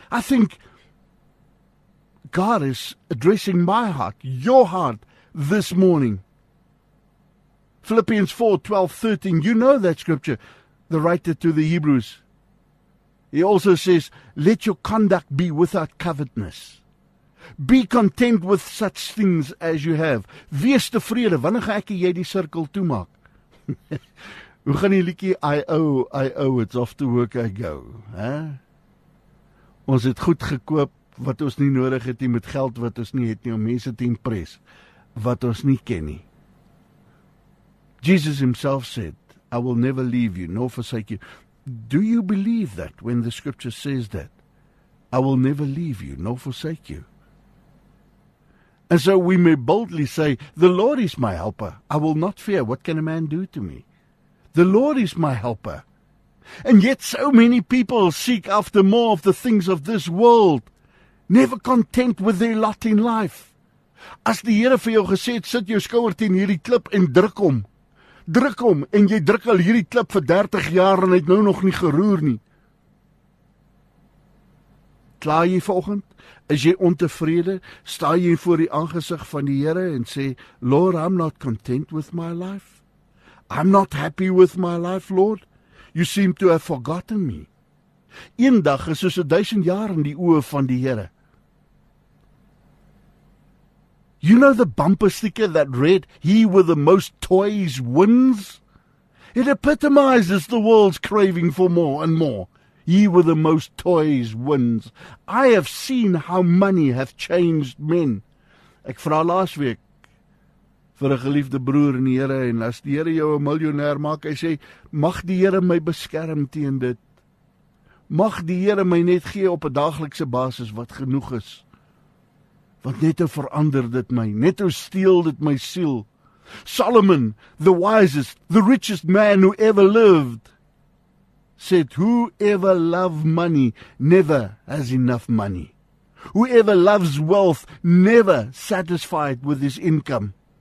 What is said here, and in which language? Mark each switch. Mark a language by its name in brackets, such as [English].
[English] I think God is addressing my heart, your heart, this morning. Philippians 4, 12, 13, you know that scripture, the writer to the Hebrews. He also says, let your conduct be without covetousness. Be content with such things as you have. [Afrikaans] Wees tevrede, wanneer ga ek jy die sirkel toemaak? Hoe gaan die liedjie, [English] I owe, it's off to work I go. Huh? [Afrikaans] Ons het goed gekoop wat ons nie nodig het nie, met geld wat ons nie het nie, om mense te impress, wat ons nie ken nie. [English] Jesus himself said, I will never leave you nor forsake you. Do you believe that when the scripture says that? I will never leave you nor forsake you. And so we may boldly say, the Lord is my helper. I will not fear. What can a man do to me? The Lord is my helper. And yet so many people seek after more of the things of this world, never content with their lot in life. [Afrikaans] As die Here vir jou gesê het, sit jou skouer teen hierdie klip en druk hom. Druk hom, en jy druk al hierdie klip vir 30 jaar en hy het nou nog nie geroer nie. Klaar jy vanoggend? Is jy ontevrede? Sta jy voor die aangesig van die Here en sê, [English] Lord, I'm not content with my life. I'm not happy with my life, Lord. You seem to have forgotten me. [Afrikaans] Een dag is soos 1000 jaar in die oë van die Here. [English] You know the bumper sticker that read, he with the most toys wins? It epitomizes the world's craving for more and more. He with the most toys wins. I have seen how money hath changed men. [Afrikaans] Ek vra laas week vir 'n geliefde broer in die Here, en as die Here jou 'n miljonair maak, hy sê, mag die Here my beskerm teen dit. Mag die Here my net gee op 'n daaglikse basis wat genoeg is. Want net hoe verander dit my, net hoe steel dit my siel. [English] Solomon, the wisest, the richest man who ever lived, said, whoever loved money never has enough money. Whoever loves wealth never satisfied with his income.